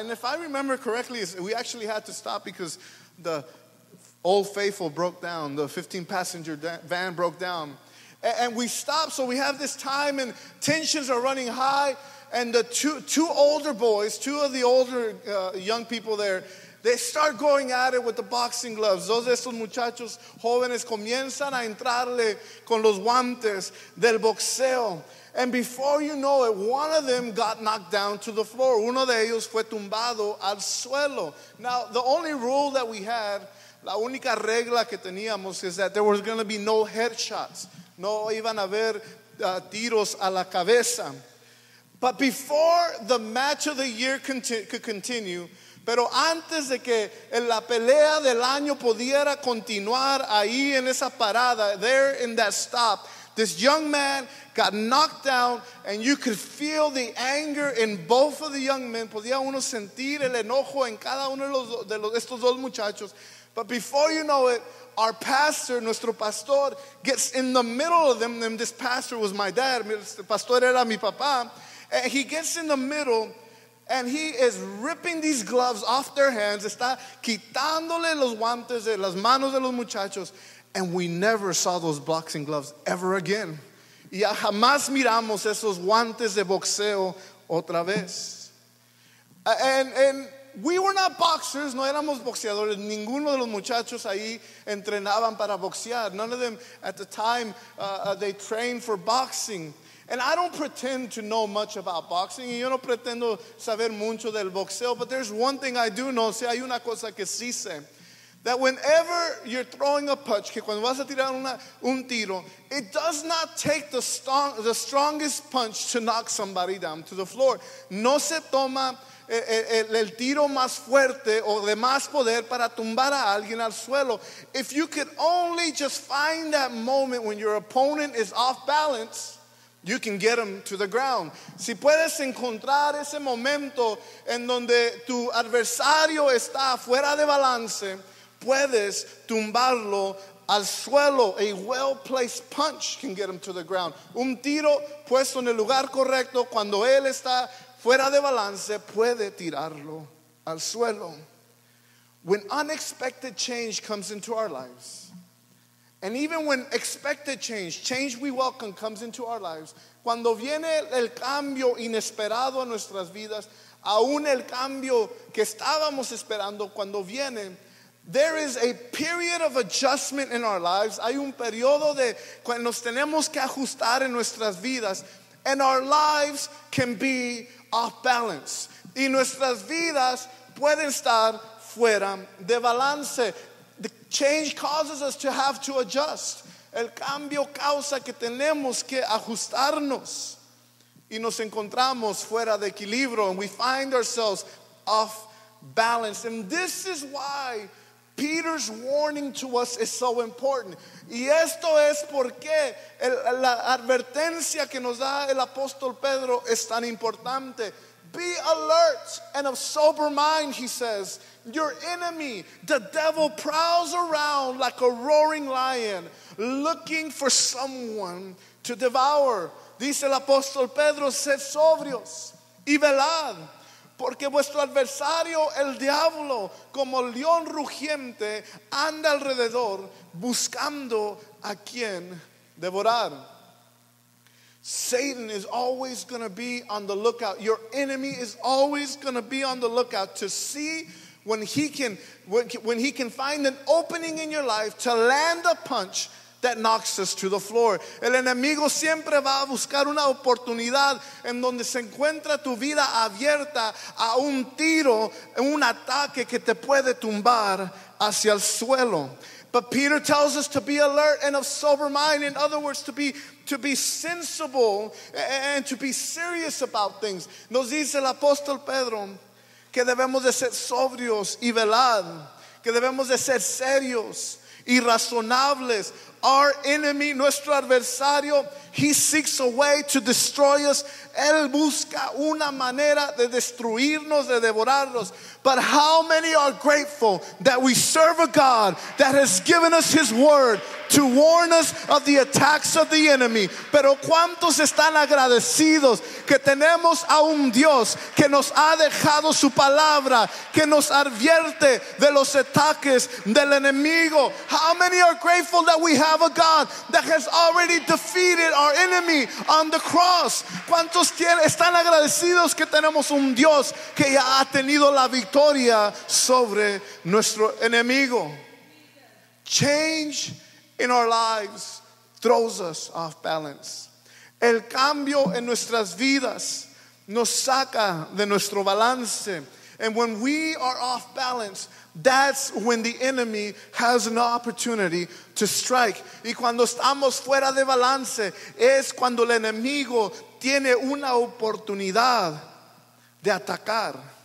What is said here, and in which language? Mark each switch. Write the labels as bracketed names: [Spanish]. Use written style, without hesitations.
[English] And if I remember correctly, we actually had to stop because the Old Faithful broke down. The 15-passenger van broke down. And we stopped, so we have this time, and tensions are running high. And the two older boys, two of the older young people there, they start going at it with the boxing gloves. [Spanish] Dos de estos muchachos jóvenes comienzan a entrarle con los guantes del boxeo. [English] And before you know it, one of them got knocked down to the floor. [Spanish] Uno de ellos fue tumbado al suelo. [English] Now, the only rule that we had, [Spanish] la única regla que teníamos, [English] is that there was going to be no headshots. [Spanish] No iban a haber tiros a la cabeza. [English] But before the match of the year could continue, [Spanish] pero antes de que la pelea del año pudiera continuar ahí en esa parada, [English] there in that stop, this young man got knocked down, and you could feel the anger in both of the young men. [Spanish] Podía uno sentir el enojo en cada uno de estos dos muchachos. [English] But before you know it, our pastor, [Spanish] nuestro pastor, [English] gets in the middle of them. And this pastor was my dad. [Spanish] El pastor era mi papá. [English] And he gets in the middle, and he is ripping these gloves off their hands. [Spanish] Está quitándole los guantes de las manos de los muchachos. [English] And we never saw those boxing gloves ever again. [Spanish] Y jamás miramos esos guantes de boxeo otra vez. [English] And we were not boxers. [Spanish] No éramos boxeadores. Ninguno de los muchachos ahí entrenaban para boxear. [English] None of them at the time, they trained for boxing. And I don't pretend to know much about boxing. [Spanish] Y yo no pretendo saber mucho del boxeo. [English] But there's one thing I do know. [Spanish] Si hay una cosa que sí sé. [English] That whenever you're throwing a punch, [Spanish] que cuando vas a tirar un tiro, [English] it does not take the strongest punch to knock somebody down to the floor. [Spanish] No se toma el tiro más fuerte o de más poder para tumbar a alguien al suelo. [English] If you could only just find that moment when your opponent is off balance, you can get him to the ground. [Spanish] Si puedes encontrar ese momento en donde tu adversario está fuera de balance, puedes tumbarlo al suelo. [English] A well-placed punch can get him to the ground. [Spanish] Un tiro puesto en el lugar correcto cuando él está fuera de balance puede tirarlo al suelo. [English] When unexpected change comes into our lives, and even when expected change, change we welcome, comes into our lives, [Spanish] cuando viene el cambio inesperado a nuestras vidas, aún el cambio que estábamos esperando, cuando viene, [English] there is a period of adjustment in our lives. [Spanish] Hay un periodo de cuando nos tenemos que ajustar en nuestras vidas, [English] and our lives can be off balance. [Spanish] Y nuestras vidas pueden estar fuera de balance. [English] The change causes us to have to adjust. [Spanish] El cambio causa que tenemos que ajustarnos. Y nos encontramos fuera de equilibrio. [English] And we find ourselves off balance. And this is why Peter's warning to us is so important. [Spanish] Y esto es por qué la advertencia que nos da el apóstol Pedro es tan importante. [English] Be alert and of sober mind, he says. Your enemy, the devil, prowls around like a roaring lion, looking for someone to devour. [Spanish] Dice el apóstol Pedro, sed sobrios y velad. Porque vuestro adversario, el diablo, como león rugiente, anda alrededor buscando a quien devorar. [English] Satan is always going to be on the lookout. Your enemy is always going to be on the lookout to see when he can find an opening in your life to land a punch that knocks us to the floor. [Spanish] El enemigo siempre va a buscar una oportunidad en donde se encuentra tu vida abierta a un tiro, un ataque que te puede tumbar hacia el suelo. [English] But Peter tells us to be alert and of sober mind. In other words, to be sensible and to be serious about things. [Spanish] Nos dice el apóstol Pedro que debemos de ser sobrios y velar, que debemos de ser serios y razonables. [English] Our enemy, [Spanish] nuestro adversario, [English] he seeks a way to destroy us. [Spanish] Él busca una manera de destruirnos, de devorarnos. [English] But how many are grateful that we serve a God that has given us his word to warn us of the attacks of the enemy? [Spanish] Pero cuántos están agradecidos que tenemos a un Dios que nos ha dejado su palabra, que nos advierte de los ataques del enemigo. [English] How many are grateful that we have a God that has already defeated our enemy on the cross? [Spanish] ¿Cuántos están agradecidos que tenemos un Dios que ya ha tenido la victoria sobre nuestro enemigo? [English] Change in our lives throws us off balance. [Spanish] El cambio en nuestras vidas nos saca de nuestro balance. [English] And when we are off balance, that's when the enemy has an opportunity to strike. [Spanish] Y cuando estamos fuera de balance, es cuando el enemigo tiene una oportunidad de atacar.